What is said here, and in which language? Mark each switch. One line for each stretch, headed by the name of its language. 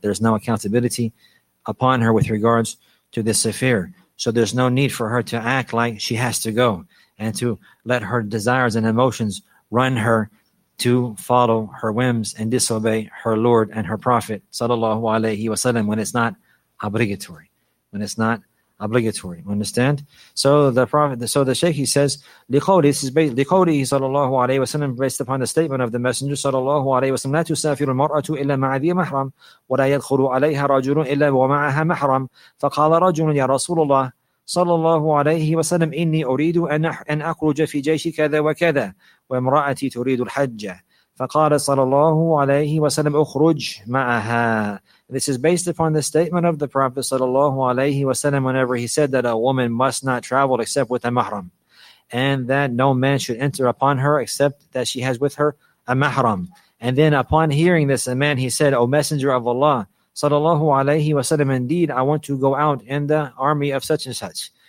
English: There's no accountability upon her with regards to this affair. So there's no need for her to act like she has to go and to let her desires and emotions run her to follow her whims and disobey her Lord and her Prophet sallallahu alayhi wa sallam when it's not obligatory. Understand? So the Prophet, so the Shaykh, he says,
Arabic: لِقَوْلِهِ,
English: this is based,
Arabic: لِقَوْلِهِ sallallahu alayhi wa sallam,
English: based upon the statement of the Messenger
Arabic: sallallahu alayhi wa sallam, لَا تُسَافِرُ الْمَرْأَةُ إِلَّا مَعَ ذِي مَحْرَمٍ وَلَا يَدْخُلُ عَلَيْهَا رَجُلٌ إِلَّا وَمَعَهَا مَحْرَمٍ فَقَالَ رَجُلٌ يَا رَسُولُ اللَّهِ sallallahu alayhi wa sallam, إِنِّي أُرِيدُ أَنْ أَخْرُجَ فِي جَيْشِ كَذَا وَكَذَا وَامْرَأَتِي تُرِيدُ الْحَجَّ فَقَالَ sallallahu alayhi wa sallam, أُخْرُجْ مَعَهَا.
English: This is based upon the statement of the Prophet sallallahu alayhi wa sallam whenever he said that a woman must not travel except with a mahram, and that no man should enter upon her except that she has with her a mahram. And then upon hearing this, a man, he said, O Messenger of Allah sallallahu alayhi wa sallam, indeed I want to go out in the army of such and such.